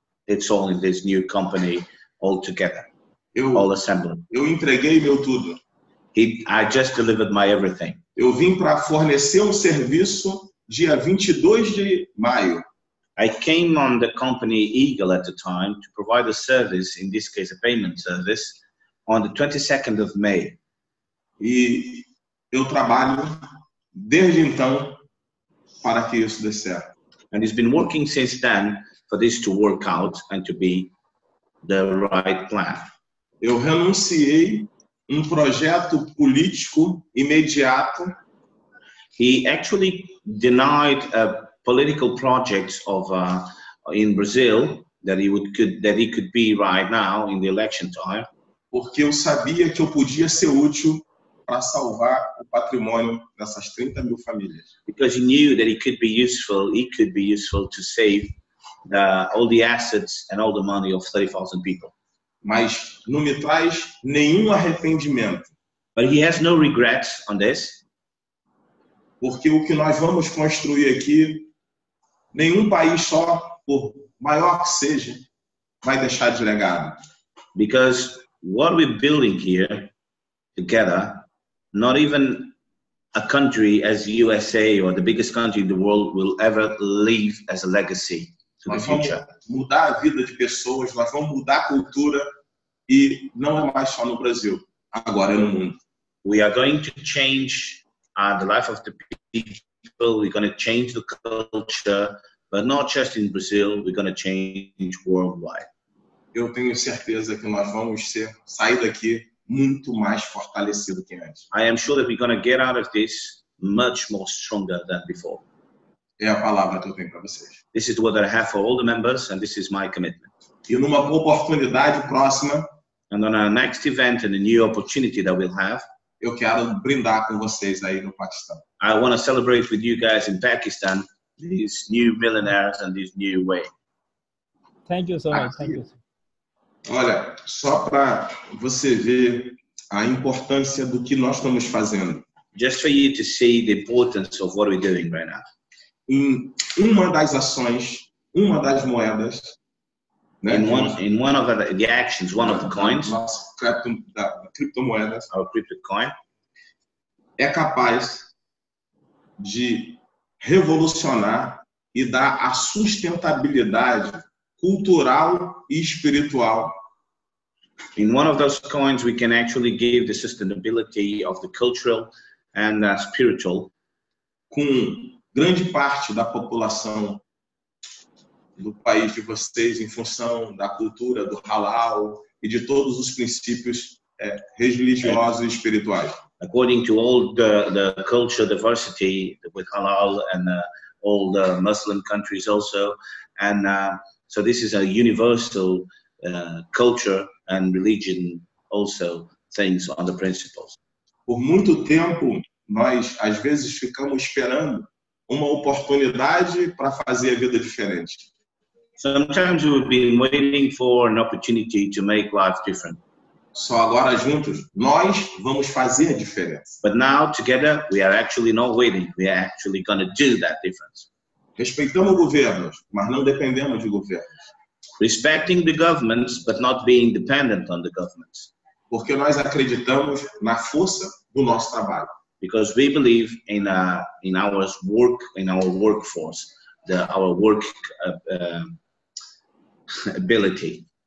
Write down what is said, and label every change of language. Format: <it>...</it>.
<en>It's all in this new company, all together, all assembled.</en> <pt>Eu entreguei meu tudo.</pt> <en>I just delivered my everything.</en> <pt>Eu vim para fornecer serviço dia 22 de maio.</pt> <en>I came on the company Eagle at the time to provide a service, in this case a payment service, on the 22nd of May.</en> <pt>E eu trabalho desde então para que isso dê certo.</pt> <en>And he's been working since then for this to work out and to be the right plan.</en> <pt>Eu renunciei projeto político imediato.</pt> <en>He actually denied a political projects of in Brazil that he could be right now in the election time.</en> <pt>Porque eu sabia que eu podia ser útil para salvar o patrimônio dessas 30 mil famílias.</pt> <en>Because he knew that he could be useful to save all the assets and all the money of 30,000 people.</en> <pt>Mas não me traz nenhum arrependimento.</pt> <en>But he has no regrets on this.</en> <pt>Porque o que nós vamos construir aqui, nenhum país só, por maior que seja, vai deixar de legado.</pt> <en>Because what we're building here together, not even a country as USA or the biggest country in the world will ever leave as a legacy to</en> <pt>nós</pt> <en>the future.</en> <pt>Vamos mudar a vida de pessoas, nós vamos mudar a cultura e não é mais só no Brasil, agora é no mundo.</pt> <en>We are going to change the life of the people, we're going to change the culture, but not just in Brazil, we're going to change worldwide.</en> <pt>Eu tenho certeza que nós vamos sair daqui muito mais fortalecido que antes.</pt> <en>I am sure that we're going to get out of this much more stronger than before.</en> <pt>É a palavra que eu tenho para vocês.</pt> <en>This is what I have for all the members and this is my commitment.</en> <pt>E numa oportunidade próxima,</pt> <en>and on our next event and a new opportunity that we'll have,</en> <pt>eu quero brindar com vocês aí no Pakistan.</pt> <en>I want to celebrate with you guys in Pakistan these new millionaires and this new way. Thank you so much.</en> <pt>Aqui.</pt> <en>Thank you.</en> <pt>Olha, só para você ver a importância do que nós estamos fazendo.</pt> <en>Just for you to see the importance of what we're doing right now.</en> <pt>Em uma das ações, uma das moedas, né?</pt> <en>In one of the actions, one of the coins.</en> <pt>Criptomoedas.</pt> <en>Our cryptocoin.</en> <pt>É capaz de revolucionar e dar a sustentabilidade cultural e espiritual.</pt> <en>In one of those coins, we can actually give the sustainability of the cultural and the spiritual.</en> <pt>Com grande parte da população do país de vocês, em função da cultura, do halal e de todos os princípios religiosos e espirituais.</pt> <en>According to all the culture diversity with halal and all the Muslim countries also. And so this is a universal culture and religion also things on the principles.</en> <pt>Por muito tempo, nós às vezes ficamos esperando uma oportunidade para fazer a vida diferente.</pt> <en>Sometimes we've been waiting for an opportunity to make life different.</en> <pt>Só agora juntos, nós vamos fazer a diferença.</pt> <en>But now together, we are actually not waiting. We are actually going to do that difference.</en> <pt>Respeitamos governos, mas não dependemos de governos.</pt> <en>Respecting the governments, but not being dependent on the governments.</en> <pt>Porque nós acreditamos na força do nosso trabalho.</pt> <en>Because we believe in our work, in our workforce, our work ability.</en>